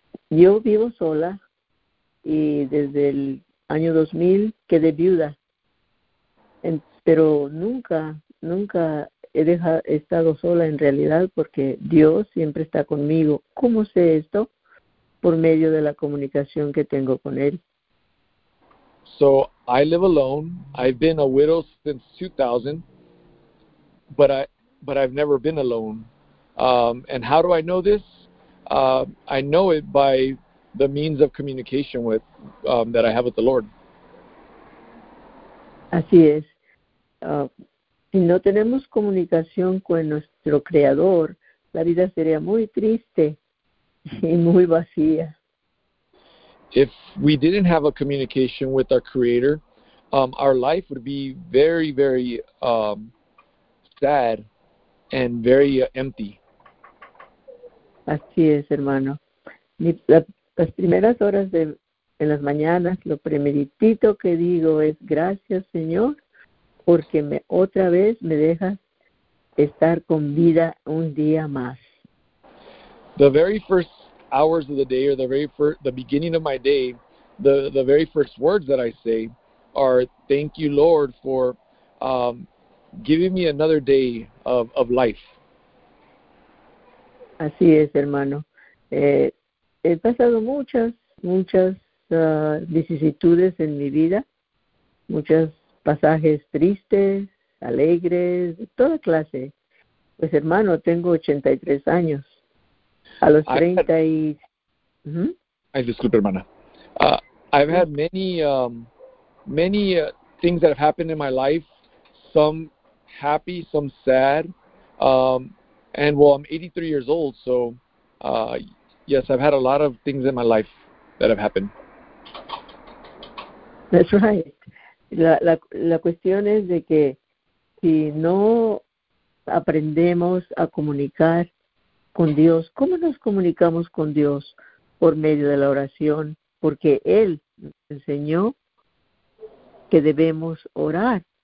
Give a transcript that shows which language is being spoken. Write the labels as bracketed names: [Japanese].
[Spanish] Yo vivo sola y desde el año 2000 quedé viuda. Pero nunca he estado sola en realidad, porque Dios siempre está conmigo. ¿Cómo sé esto? Por medio de la comunicación que tengo con Él. [English] So, I live alone. I've been a widow since 2000, but I've never been alone. And how do I know this? I know it by the means of communication with that I have with the Lord. [Spanish] Así es. Si no tenemos comunicación con nuestro Creador, la vida sería muy triste y muy vacía. [English] If we didn't have a communication with our Creator, our life would be very, very sad and very empty. [Spanish] Así es, hermano. Las primeras horas en las mañanas, lo primeritito que digo es gracias, Señor, porque otra vez me deja estar con vida un día más. [English] The very first hours of the day, or the beginning of my day, the very first words that I say are, thank you, Lord, for giving me another day of life. [Spanish] Así es, hermano. He pasado muchas vicisitudes en mi vida, muchas pasajes tristes, alegres, toda clase. Pues, hermano, tengo 83 años. A los 30 y... Ay, disculpe, hermana. [English] I've had many things that have happened in my life, some happy, some sad. I'm 83 years old, so yes, I've had a lot of things in my life that have happened. That's right. [Spanish] La cuestión es de que si no aprendemos a comunicar con Dios, ¿cómo nos comunicamos con Dios por medio de la oración? Porque Él nos enseñó que debemos orar.